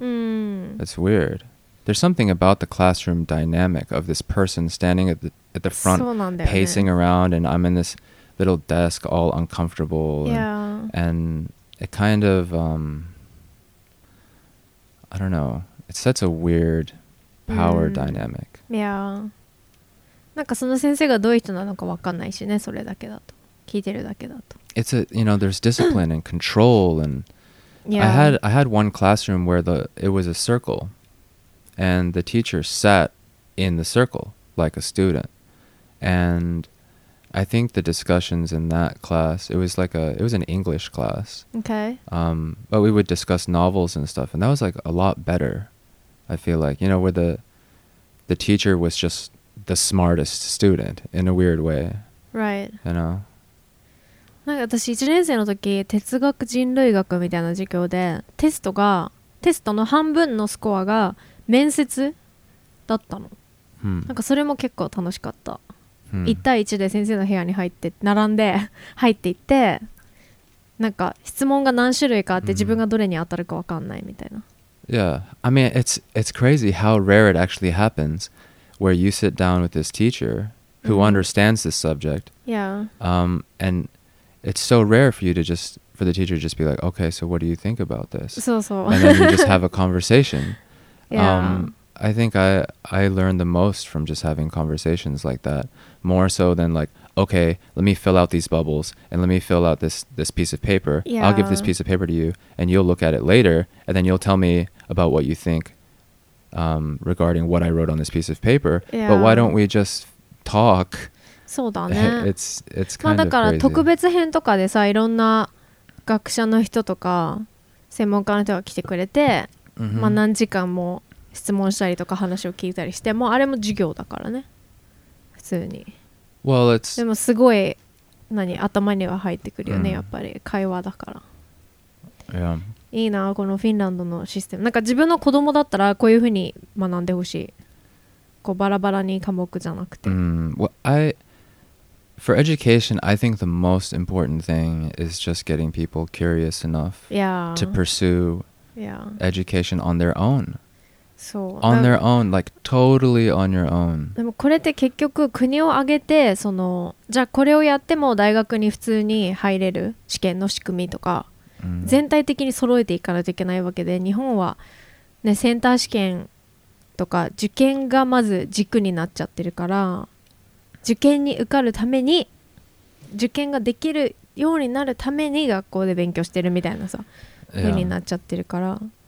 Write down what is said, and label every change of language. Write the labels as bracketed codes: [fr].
[en] That's weird. There's something about the classroom dynamic of this person standing at the front pacing around and I'm in this little desk all uncomfortable and it kind of I don't know, it sets a weird power dynamic. [ja] Yeahなんかその先生がどういう人なのか分かんないしね、それだけだと。聞いてるだけだと。 [en] It's a, you know, there's discipline and control and... Yeah. I had one classroom where it was a circle and the teacher sat in the circle like a student. And I think the discussions in that class, it was an English class. Okay. But we would discuss novels and stuff and that was like a lot better, I feel like. You know, where the teacher was justthe smartest student in a weird way. Right. You know? [ja] なんか私1年生の時哲学人類学みたいな授業でテストの半分のスコアが面接だったの。なんかそれも結構楽しかった。1対1で先生の部屋に入って並んで入っていってなんか質問が何種類かあって自分がどれに当たるか分かんないみたいな。 [en] Yeah. I mean, it's crazy how rare it actually happens. Where you sit down with this teacher who understands this subject. Yeah. And it's so rare for you to just, for the teacher to just be like, okay, so what do you think about this? So, so. And then you just have a conversation. Yeah. I think I learned the most from just having conversations like that. More so than like, okay, let me fill out these bubbles and let me fill out this piece of paper. Yeah. I'll give this piece of paper to you and you'll look at it later. And then you'll tell me about what you think. Regarding what I wrote on this piece of paper, yeah. But why don't we just talk? [ja] そうだ [en] ね。It's kind of crazy. [ja] だから特別編とかでさ、いろんな学者の人とか専門家の人が来てくれて、まあ何時間も質問したりとか話を聞いたりして、もうあれも授業だからね。普通に。 [en] Well, it's [ja] でもすごい何頭には入ってくるよね、やっぱり会話だから。 [en] Yeah. [ja] いいなこのフィンランドのシステム。なんか自分の子供だったらこういうふうに学んでほしい。こうバラバラに科目じゃなくて。 [en] Well, For education, I think the most important thing is just getting people curious enough to pursue education on their own. [ja] そう。 [en] On their own, like totally on your own. [ja] でもこれって結局国を挙げてそのじゃあこれをやっても大学に普通に入れる試験の仕組みとか、mm. 全体的に揃えていかないといけないわけで、日本は、ね、センター試験とか受験がまず軸になっちゃってるから、受験に受かるために、受験ができるようになるために学校で勉強してるみたいなさ、yeah. 風になっちゃってるから。